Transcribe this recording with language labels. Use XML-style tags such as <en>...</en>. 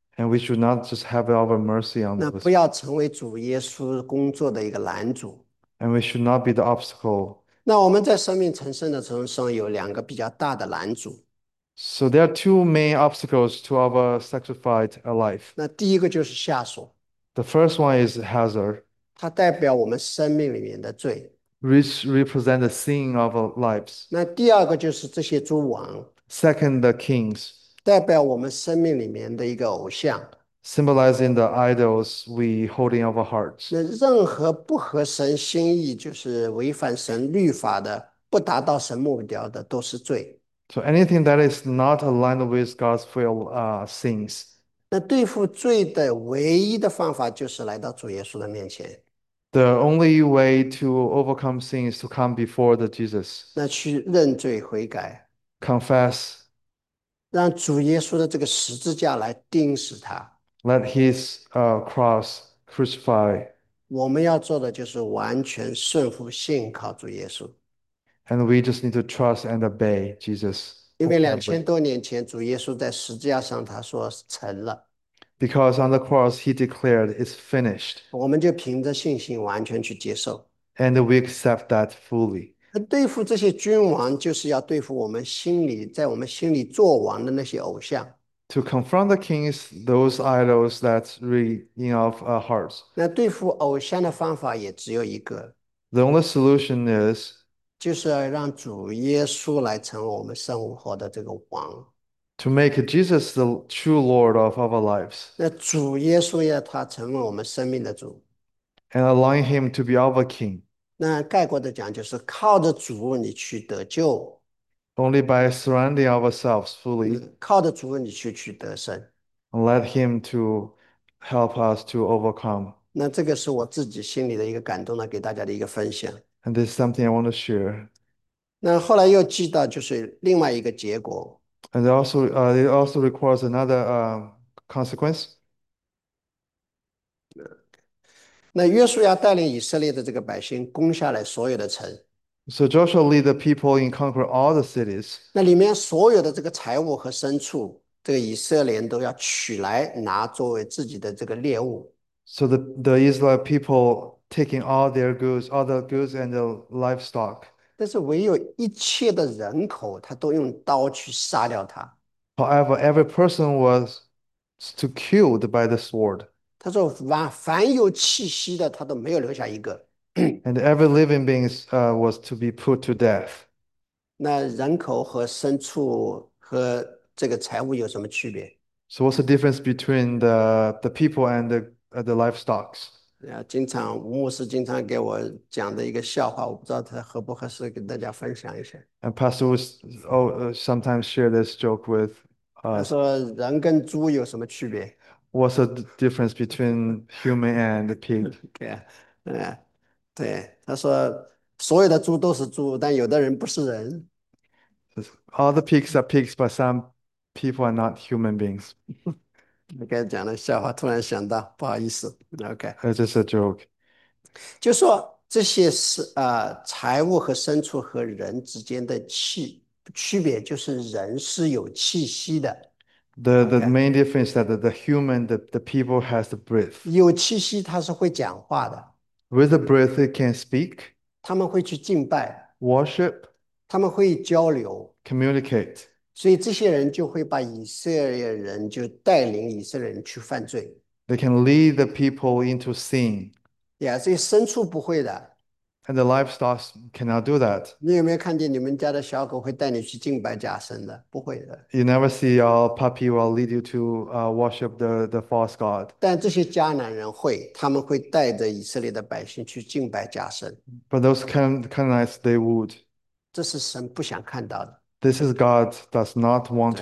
<en>And we should not just have our mercy on 那 those.</en> <zh>不要成为主耶稣工作的一个拦阻。</zh> <en>And we should not be the obstacle.</en> <zh>那我们在生命成圣的程序上有两个比较大的拦阻。</zh> <en>So there are two main obstacles to our sacrificed life.</en> <zh>那第一个就是下属，</zh> <en>The first one is Hazor.</en> <zh>它代表我们生命里面的罪。</zh> <en>Which represent the sin of our lives.</en> <zh>那第二个就是这些诸王，</zh> <en>Second, the kings,</en> <zh>代表我们生命里面的一个偶像。</zh> <en>symbolizing the idols we hold in our hearts.</en> <zh>那任何不合神心意，就是违反神律法的，不达到神目标的，都是罪。</zh> <en>So anything that is not aligned with God's will, sins.</en> <zh>那对付罪的唯一的方法，就是来到主耶稣的面前。</zh> <en>The only way to overcome sin is to come before the Jesus.</en> <zh>那去认罪悔改，</zh> <en>Confess.</en> <zh>让主耶稣的这个十字架来钉死他。</zh> <en>Let his cross crucify.</en> <zh>我们要做的就是完全顺服、信靠主耶稣，</zh> <en>And we just need to trust and obey Jesus</en> <zh>因为</zh> <en>wholeheartedly.</en> <zh>2000多年前，主耶稣在十字架上他说成了，</zh> <en>Because on the cross he declared it's finished.</en> <zh>我们就凭着信心完全去接受。</zh> <en>And we accept that fully.</en> <zh>对付这些君王，就是要对付我们心里，在我们心里作王的那些偶像。</zh> <en>To confront the kings, those idols that re in our hearts.</en> <zh>那对付偶像的方法也只有一个，</zh> <en>The only solution is</en> <zh>就是要让主耶稣来成为我们生活的这个王。</zh> <en>to make Jesus the true Lord of our lives</en> <zh>那主耶稣要他成为我们生命的主。</zh> <en>and align him to be our king.</en> <zh>那概括的讲，就是靠着主你去得救，</zh> <en>Only by surrendering ourselves fully</en> <zh>靠着主你去得胜。</zh> <en>and let him to help us to overcome.</en> <zh>那这个是我自己心里的一个感动呢，给大家的一个分享。</zh> <en>And this is something I want to share.</en> <zh>那后来又记到就是另外一个结果，</zh> <en>And also, it also requires another consequence.</en> <zh>那约书亚带领以色列的这个百姓攻下来所有的城，</zh> <en>So Joshua lead the people and conquer all the cities.</en> <zh>那里面所有的这个财物和牲畜，这个以色列人都要取来拿作为自己的这个猎物。</zh> <en>So the Israelite people taking all their goods, all the goods and the livestock.</en> <zh>但是唯有一切的人口，他都用刀去杀掉他。</zh> <en>However, every person was to killed by the sword.</en> <zh>他说凡有气息的，他都没有留下一个。</zh> <en>And every living being was to be put to death.</en> <zh>那人口和牲畜和这个财物有什么区别？</zh> <en>So what's the difference between the people and the livestock?</en> <zh>啊，经常牧师经常给我讲的一个笑话，我不知道他合不合适跟大家分享一下。</zh> <en>And Pastor sometimes share this joke with</en> <zh>他</zh> <en>us.</en> <zh>说：“人跟猪有什么区别</zh> <en>What's the difference between human and the pig? ？”</en> <zh>对，他说：“所有的猪都是猪，但有的人不是人。</zh> <en>All the pigs are pigs, but some people are not human beings.</en> <zh>”你刚才讲的笑话，突然想到，不好意思。</zh> <en>OK。 It's just a joke.</en> <zh>就说这些是财物和牲畜和人之间的区别，就是人是有气息的</zh> <en>The ，OK， main difference that the human the people has to breathe.</en> <zh>有气息它是会讲话的，</zh> <en>With the breath, it can speak,</en> <zh>他们会去敬拜，</zh> <en>worship,</en> <zh>他们会交流，</zh> <en>communicate.</en> <zh>所以这些人就会把以色列人就带领以色列人去犯罪。</zh> <en>They can lead the people into sin. Yeah，</en> <zh>这些牲畜不会的。</zh> <en>And the livestock cannot do that.</en> <zh>你有没有看见你们家的小狗会带你去敬拜假神的？不会的。</zh> <en>You never see your puppy will lead you to worship the false god.</en> <zh>但这些迦南人会，他们会带着以色列的百姓去敬拜假神。</zh> <en>But those Canaanites, they would.</en> <zh>这是神不想看到的。</zh> <en>This is God does not want to</en>